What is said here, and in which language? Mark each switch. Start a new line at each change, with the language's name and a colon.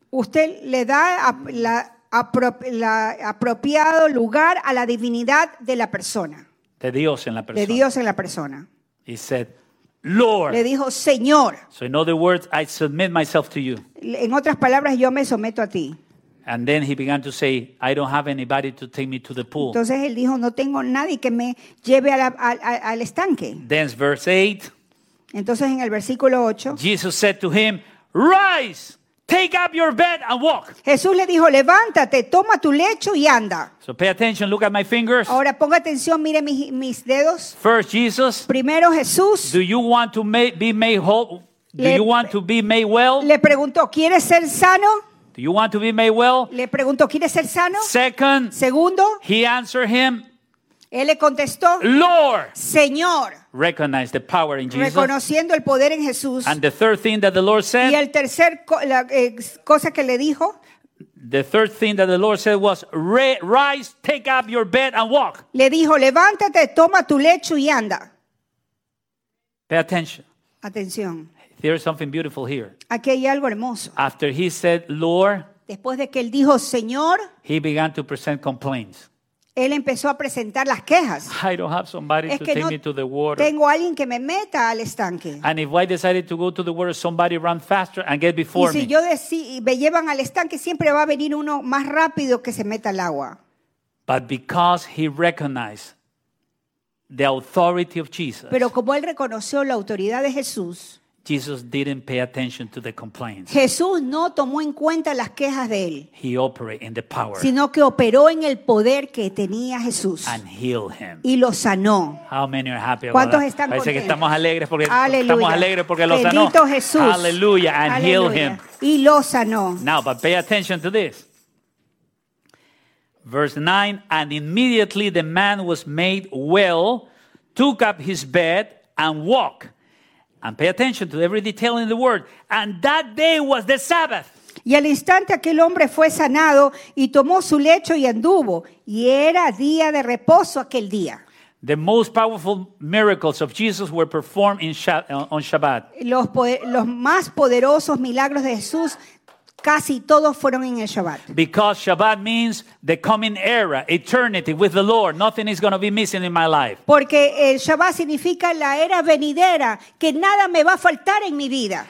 Spanish: Usted le da apropiado lugar a la divinidad de la persona. De Dios en la persona. De Dios en la persona.
English: He said, Lord.
Spanish: Le dijo, Señor.
English: So in other words, I submit myself to you.
Spanish: En otras palabras, yo me someto a ti.
English: And then he began to say, I don't have anybody to take me to the pool.
Spanish: Entonces él dijo, no tengo nadie que me lleve al estanque.
English: Then verse 8.
Spanish: Entonces en el versículo 8.
English: Jesus said to him, rise, take up your bed and walk.
Spanish: Jesús le dijo, levántate, toma tu lecho y anda.
English: So pay attention, look at my fingers.
Spanish: Ahora ponga atención, mire mis dedos.
English: First Jesus.
Spanish: Primero Jesús.
English: Do you want to be made whole? Do you want to be made well?
Spanish: Le preguntó, ¿quieres ser sano?
English: Do you want to be made well?
Spanish: Le preguntó, ¿quieres ser sano?
English: Second.
Spanish: Segundo.
English: He answered him.
Spanish: Él le contestó,
English: Lord.
Spanish: Señor.
English: Recognize the power in Jesus.
Spanish: Reconociendo el poder en Jesús.
English: And the third thing that the Lord said.
Spanish: Y el tercer cosa que le dijo.
English: The third thing that the Lord said was, rise, take up your bed and walk.
Spanish: Le dijo, levántate, toma tu lecho y anda.
English: Pay attention.
Spanish: Atención.
English: There is something beautiful here.
Spanish: Aquí hay algo hermoso.
English: After he said, Lord.
Spanish: Después de que él dijo, Señor.
English: He began to present complaints.
Spanish: él empezó a presentar las quejas.
English: I don't have somebody
Spanish: es
English: to take me to the water.
Spanish: Tengo alguien que me meta al estanque.
English: And if I decided to go to the water, somebody run faster and get before me.
Spanish: Y si yo me llevan al estanque, siempre va a venir uno más rápido que se meta al agua.
English: But because he recognized the authority of Jesus.
Spanish: Pero como él reconoció la autoridad de Jesús.
English: Jesus didn't pay attention to the complaints.
Spanish: Jesús no tomó en cuenta las quejas de él.
English: He operated in the power.
Spanish: Sino que operó en el poder que tenía Jesús.
English: And healed him.
Spanish: Y lo sanó.
English: How many are happy about
Spanish: ¿cuántos
English: that?
Spanish: Están parece Que estamos alegres porque Aleluya. Estamos alegres porque lo bendito sanó. Bendito Jesús.
English: Aleluya. And Aleluya. Healed him.
Spanish: Y lo sanó.
English: Now, but pay attention to this. Verse 9, and immediately the man was made well, took up his bed and walked. And pay attention to every detail in the word. And that day was the Sabbath.
Spanish: Y al instante aquel hombre fue sanado y tomó su lecho y anduvo. Y era día de reposo aquel día.
English: The most powerful miracles of Jesus were performed on Shabbat.
Spanish: Los más poderosos milagros de Jesús casi todos fueron en el Shabbat.
English: Because Shabbat means the coming era, eternity with the Lord. Nothing is going to be missing in my life.
Spanish: Porque el Shabbat significa la era venidera, que nada me va a faltar en mi vida.